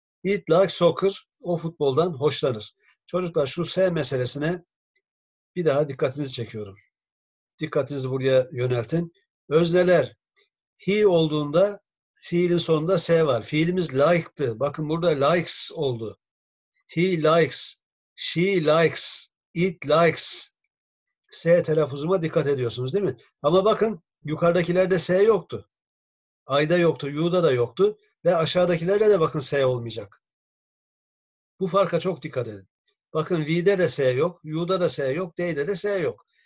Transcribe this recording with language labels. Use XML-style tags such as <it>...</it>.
<en>It likes soccer,</en> <tr>o futboldan hoşlanır. Çocuklar şu S meselesine bir daha dikkatinizi çekiyorum. Dikkatinizi buraya yöneltin. Özneler he olduğunda fiilin sonunda S var. Fiilimiz like'tı. Bakın burada likes oldu.</tr> <en>He likes, she likes, it likes.</en> <tr>S telaffuzuma dikkat ediyorsunuz değil mi? Ama bakın yukarıdakilerde S yoktu. I'da yoktu, U'da da yoktu. Ve aşağıdakilerde de bakın S olmayacak. Bu farka çok dikkat edin. Bakın V'de de S yok, U'da da S yok, D'de de S yok.</tr>